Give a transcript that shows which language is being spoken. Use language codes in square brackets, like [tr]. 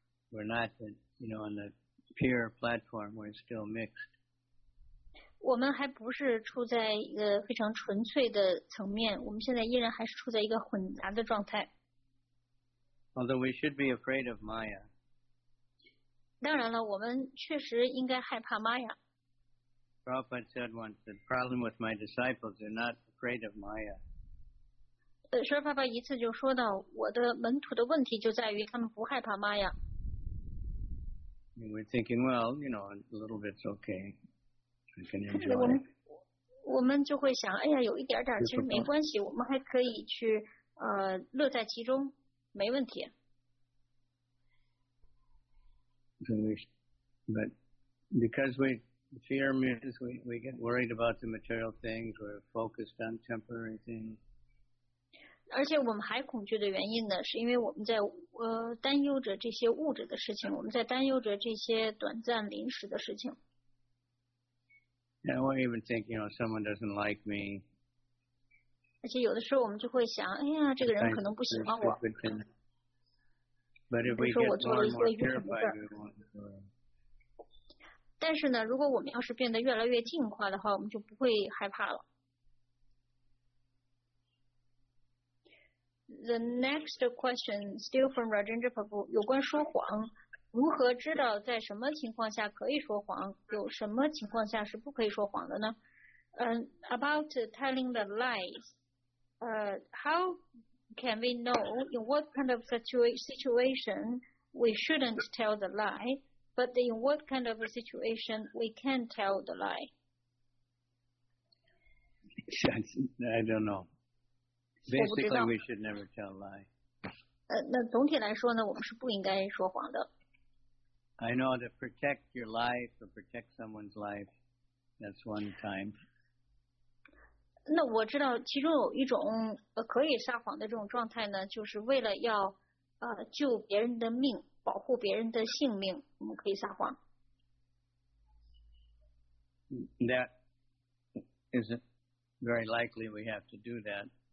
[en] We're not, you know, on the pure platform. We're still mixed. [zh] 我们还不是处在一个非常纯粹的层面，我们现在依然还是处在一个混杂的状态。 [en] Although we should be afraid of Maya. [zh] 当然了，我们确实应该害怕 Maya. [en] Prabhupada said once, the problem with my disciples, they're not afraid of Maya. [zh] 舍尔帕帕一次就说到，我的门徒的问题就在于他们不害怕 Maya. [en] We're thinking, well, you know, a little bit's okay. [zh] 我们就会想，哎呀，有一点点，其实没关系，我们还可以去乐在其中，没问题。 [en] But because we fear means we get worried about the material things, we're focused on temporary things. [zh] 而且我们还恐惧的原因呢，是因为我们在担忧着这些物质的事情，我们在担忧着这些短暂临时的事情。 [en] And we even think, you know, someone doesn't like me. [zh] 而且有的时候我们就会想，哎呀，这个人可能不喜欢我。 [en] But if we get more and more terrified, we won't. [zh] 但是呢，如果我们要是变得越来越进化的话，我们就不会害怕了。 [en] The next question, still from Rajendra Prabhu, [zh] 有关说谎。如何知道在什么情况下可以说谎，有什么情况下是不可以说谎的呢？ [en] About telling the lies, how can we know in what kind of situation we shouldn't tell the lie, but in what kind of a situation we can tell the lie? I don't know. Basically, we should never tell a lie. [zh] 那总体来说呢，我们是不应该说谎的。 [en] I know to protect your life or protect someone's life, that's one time. [zh] 那我知道其中有一种可以撒谎的这种状态呢，就是为了要救别人的命，保护别人的性命，我们可以撒谎。 [en] That is very likely we have to do that.